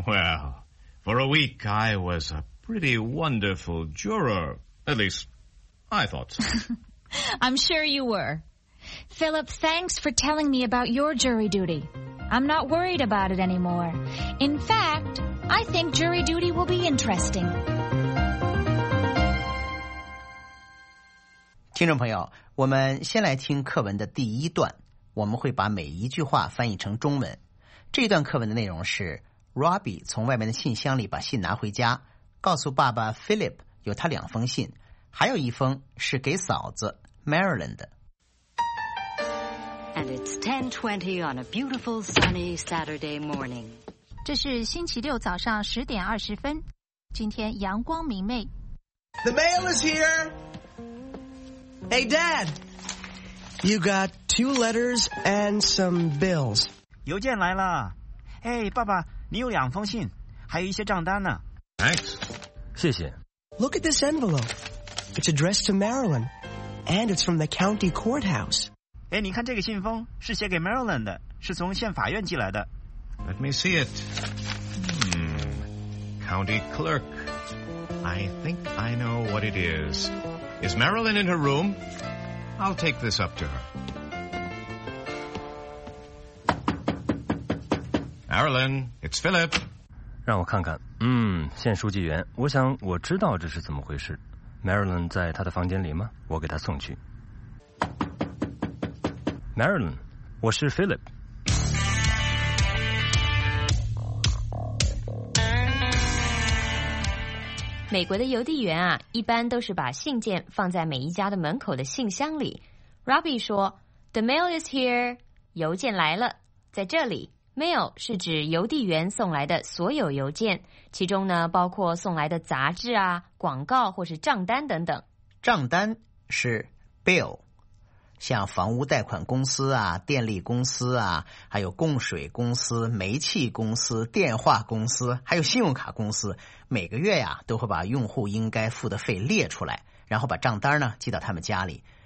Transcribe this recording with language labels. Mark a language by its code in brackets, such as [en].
[en] Well, for a week, I was a pretty wonderful juror. At least, I thought so. I'm sure you were. Philip, thanks for telling me about your jury duty. I'm not worried about it anymore. In fact, I think jury duty will be interesting. [zh] 听众朋友，我们先来听课文的第一段，我们会把每一句话翻译成中文。这段课文的内容是 Robbie 从外面的信箱里把信拿回家，告诉爸爸 Philip 有他两封信，还有一封是给嫂子 Marilyn 的。 [en] And it's 10:20 on a beautiful sunny Saturday morning. [zh] 这是星期六早上10:20，今天阳光明媚。 [en] The mail is here! Hey, Dad! You got 2 letters and some bills. [zh] 邮件来了。哎，爸爸，你有两封信，还有一些账单呢。 [en] Thanks. [zh] 谢谢。 [en] Look at this envelope. It's addressed to Marilyn, and it's from the county courthouse. [zh] 哎，你看这个信封是写给 Marilyn 的，是从县法院寄来的。 [en] Let me see it. County clerk. I think I know what it is. Is Marilyn in her room? I'll take this up to her. Marilyn, it's Philip. [zh] 让我看看。县书记员，我想我知道这是怎么回事。Marilyn 在她的房间里吗？我给她送去。 Marilyn, 我是 Philip. [en] Robbie [zh] 说 [en] ,The mail is here. [zh] 邮件来了。在这里 ,mail 是指邮递员送来的所有邮件，其中呢包括送来的杂志啊、广告或是账单等等。账单是 bill。像房屋贷款公司啊、电力公司啊、还有供水公司、煤气公司、电话公司、还有信用卡公司，每个月呀都会把用户应该付的费列出来，然后把账单呢寄到他们家里。